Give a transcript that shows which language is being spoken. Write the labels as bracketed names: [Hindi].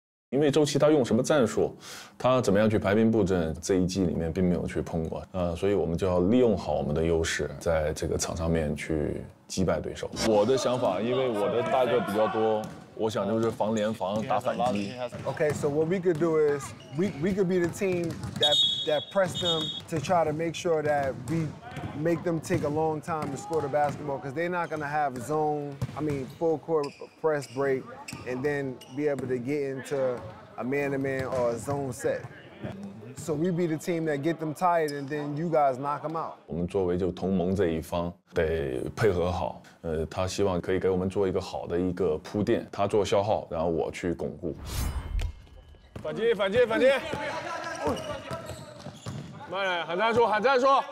[Chinese] 因为周琦他用什么战术，他怎么样去排兵布阵，这一季里面并没有去碰过，所以我们就要利用好我们的优势，在这个场上面去击败对手。我的想法，因为我的大个比较多。我想就是防联防打反击。 [English] Okay, so what we could do is we could be the team that press them to try to make sure that we make them take a long time to score the basketball because they're not gonna have zone, I mean full court press break, and then be able to get into a man-to-man or a zone set. So we be the team that get them tired and then you guys knock them out. [Chinese] 我们作为就同盟这一方得配合好。他希望可以给我们做一个好的一个铺垫，他做消耗，然后我去巩固。反击，反击，反击！慢点，喊战术，喊战术。